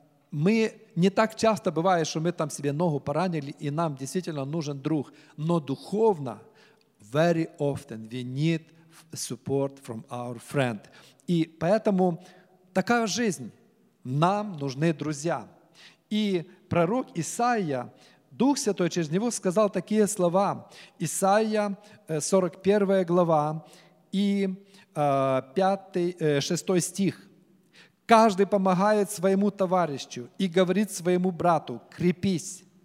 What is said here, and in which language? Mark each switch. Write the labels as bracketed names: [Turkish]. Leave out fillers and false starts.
[Russian] Мы не так часто бывает, что мы там себе ногу поранили, и нам действительно нужен друг. Но духовно, [English] very often we need support from our friend. [Russian] И поэтому такая жизнь. Нам нужны друзья. И пророк Исаия, Дух Святой через него сказал такие слова. Исаия, 41 глава и 6 стих. «Каждый помогает своему товарищу и говорит своему брату, крепись.